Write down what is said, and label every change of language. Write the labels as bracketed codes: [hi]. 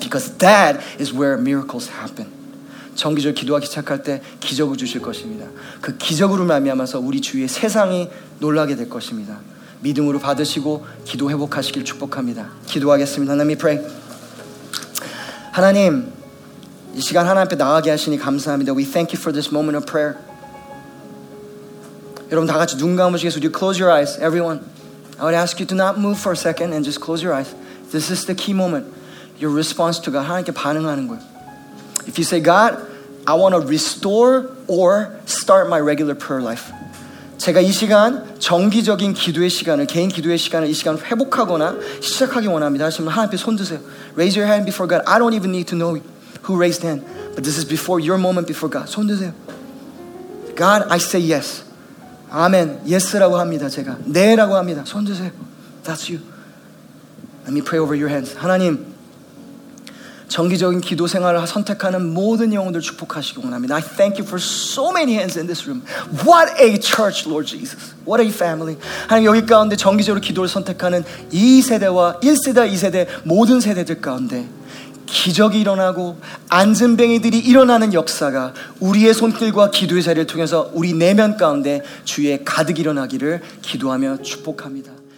[en] Because that is where miracles happen. [ko] 정기적으로 기도하기 시작할 때 기적을 주실 것입니다. 그 기적으로 말미암아서 우리 주위의 세상이 놀라게 될 것입니다. 믿음으로 받으시고 기도 회복하시길 축복합니다. 기도하겠습니다. [en] Let me pray. [ko] 하나님, 이 시간 하나님 앞에 나가게 하시니 감사합니다. [en] We thank you for this moment of prayer. [ko] 여러분 다 같이 눈 감으시겠어요? [en] Would you close your eyes, everyone? I would ask you to not move for a second and just close your eyes. This is the key moment. Your response to God. [ko] 하나님께 반응하는 거예요. [en] If you say, God, I want to restore or start my regular prayer life. [ko] 제가 이 시간 정기적인 기도의 시간을, 개인 기도의 시간을 이 시간 회복하거나 시작하기 원합니다. 하시면 하나님 앞에 손 드세요. [en] Raise your hand before God. I don't even need to know you. Who raised hand? But this is before your moment before God. [ko] 손 드세요. [en] God, I say yes. Amen. [ko] Yes라고 합니다. 제가 네라고 합니다. 손 드세요. [en] That's you. Let me pray over your hands. [ko] 하나님, 정기적인 기도 생활을 선택하는 모든 영혼들 축복하시기 원합니다. [en] I thank you for so many hands in this room. What a church, Lord Jesus. What a family. [ko] 하나님 여기 가운데 정기적으로 기도를 선택하는 이 세대와 1세대, 2세대 모든 세대들 가운데. 기적이 일어나고 앉은뱅이들이 일어나는 역사가 우리의 손길과 기도의 자리를 통해서 우리 내면 가운데 주위에 가득 일어나기를 기도하며 축복합니다.